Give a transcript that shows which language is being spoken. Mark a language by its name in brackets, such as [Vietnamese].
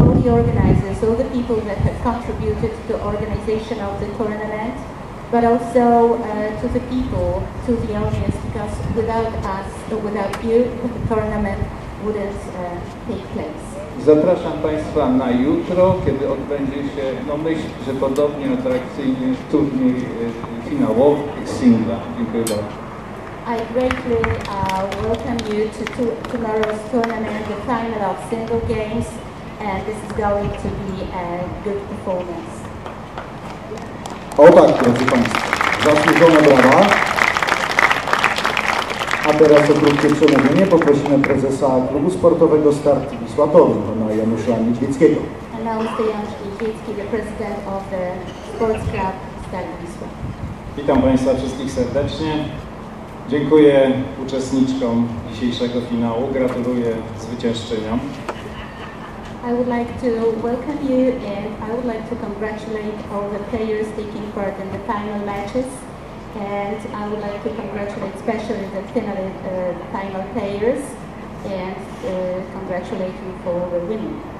[English] Organizers, all the people that have contributed to the organization of the tournament, but also to the people, to the audience, because without us, without you, the tournament wouldn't take place. [Polish] Zapraszam Państwa na jutro, kiedy odbędzie się, no myślę, że podobnie atrakcyjnie turniej finałowy singla. Dziękuję bardzo. [English] I greatly welcome you to tomorrow's tournament, the final of single games. And this is going to be a good performance. [Polish] O tak, drodzy Państwo. Zasłużone brawa. A teraz o krótkie przemówienie poprosimy prezesa klubu sportowego Start Wisła Toruń, pana Janusza Niedźwieckiego. [English] And now Mr. Janusz Niedźwiecki, the president of the sports club Start Wisła. [Polish] Witam Państwa wszystkich serdecznie. Dziękuję uczestniczkom dzisiejszego finału. Gratuluję zwycięzczyniom. [English] I would like to welcome you and I would like to congratulate all the players taking part in the final matches. And I would like to congratulate especially the final players and congratulate you for the winning.